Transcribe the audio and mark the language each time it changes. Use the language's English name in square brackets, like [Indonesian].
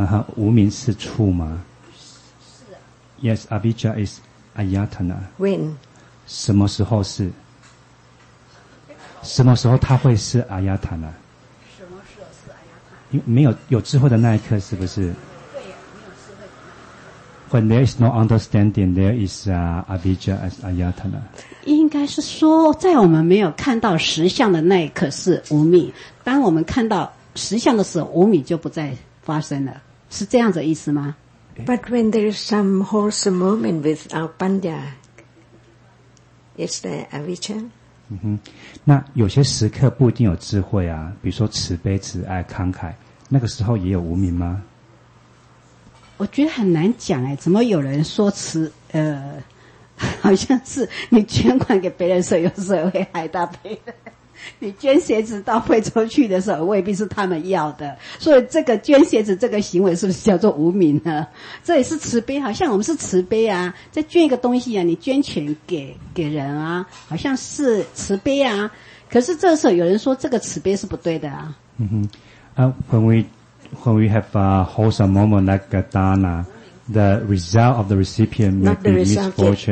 [Chinese] 啊，无明是处吗？是。 [English] Yes, avicca is ayatana. When? [Chinese] 什么时候是？什么时候它会是ayatana？没有有智慧的那一刻，是不是？对，没有智慧。 [English] When there is no understanding, there is avijja as ayatana. [Chinese] 应该是说，在我们没有看到实相的那一刻是无明。当我们看到实相的时候，无明就不再发生了，是这样子的意思吗 [English] ？But when there is some wholesome moment with our pandya, is there avijja? [Chinese] 嗯、那有些时刻不一定有智慧啊，比如说慈悲、慈爱、慷慨，那个时候也有无明吗？我觉得很难讲哎，怎么有人说慈好像是你捐款给别人的时候，有时候会害到别人；你捐鞋子到非洲去的时候，未必是他们要的。所以这个捐鞋子这个行为是不是叫做无明呢？这也是慈悲，好像我们是慈悲啊，在捐一个东西啊，你捐钱给人啊，好像是慈悲啊。可是这时候有人说这个慈悲是不对的啊。 [English] 嗯哼，when we have a wholesome moment like a dana, the result of the recipient may be misfortune.